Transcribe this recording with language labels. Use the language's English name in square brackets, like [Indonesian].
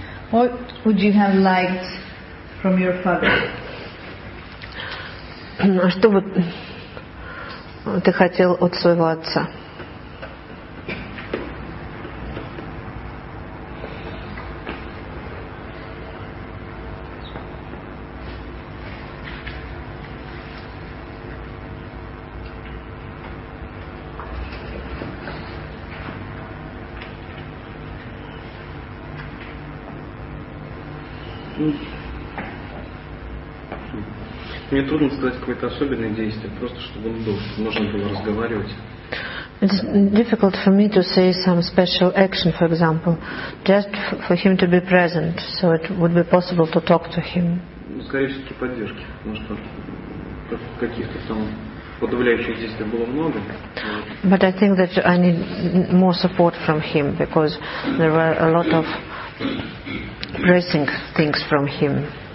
[English] What would you have liked from your father? [Russian] А что бы ты хотел от своего отца? Мне трудно сказать какое-то особенное действие, просто чтобы он был, можно было разговаривать. [English] It's difficult for me to say some special action, for example, just for him to be present, so it would be possible to talk to him. [Russian] Скорее всего, поддержки, потому что каких-то там подавляющих действий было много. [English] But I think that I need more support from him because there were a lot of pressing things from him.